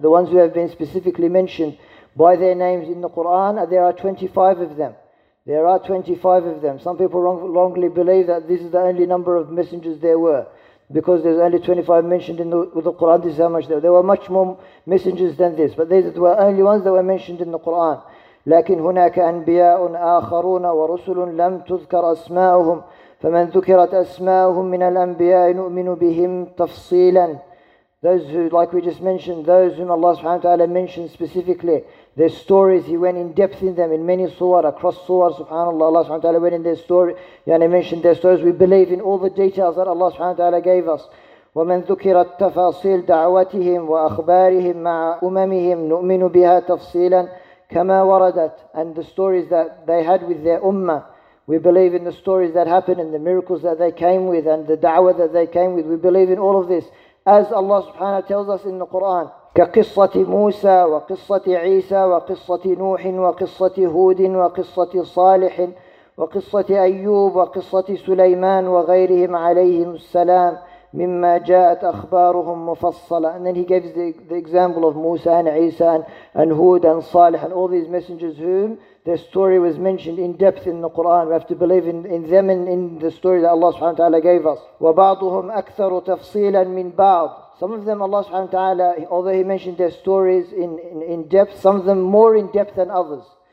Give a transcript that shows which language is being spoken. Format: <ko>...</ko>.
<en>The ones who have been specifically mentioned by their names in the Quran, there are 25 of them. There are 25 of them. Some people wrongly believe that this is the only number of messengers there were, because there's only 25 mentioned in the Quran. This is how much there were much more messengers than this, but these were only ones that were mentioned in the Quran.</en> <ar>لكن هناك أنبياء آخرون ورسل لم تذكر أسماؤهم فمن ذكرت أسماؤهم من الأنبياء نؤمن بهم تفصيلا.</ar> <en>Those who, like we just mentioned, those whom Allah subhanahu wa ta'ala mentioned specifically, their stories, He went in depth in them in many surah, across surah, subhanallah, Allah subhanahu wa ta'ala went in their story, yani mentioned their stories. We believe in all the details that Allah subhanahu wa ta'ala gave us.</en> <ar>وَمَنْ ذُكِرَتْ تَفَاصِيلَ دَعْوَتِهِمْ وَأَخْبَارِهِمْ مَعَ أُمَمِهِمْ نُؤْمِنُ بِهَا تَفْصِيلًا. كَمَا وَرَدَتْ,</ar> <en>and the stories that they had with their ummah, we believe in the stories that happened and the miracles that they came with and the da'wah that they came with. We believe in all of this, as Allah subhanahu wa ta'ala tells us in the Quran.</en> <ar>كقصة موسى وقصة عيسى وقصة نوح وقصة هود وقصة صالح وقصة أيوب وقصة سليمان وغيرهم عليهم السلام مما جاءت أخبارهم مفصلة.</ar> <en>And then he gives the example of Musa and Isa and Hud and Salih and all these messengers whom their story was mentioned in depth in the Quran. We have to believe in them and in the story that Allah subhanahu wa ta'ala gave us.</en> <ar>وَبَعْضُهُمْ أَكْثَرُ تَفْصِيلًا مِنْ بَعْضٍ.</ar> <en>Some of them Allah subhanahu wa ta'ala, although he mentioned their stories in depth, some of them more in depth than others.</en>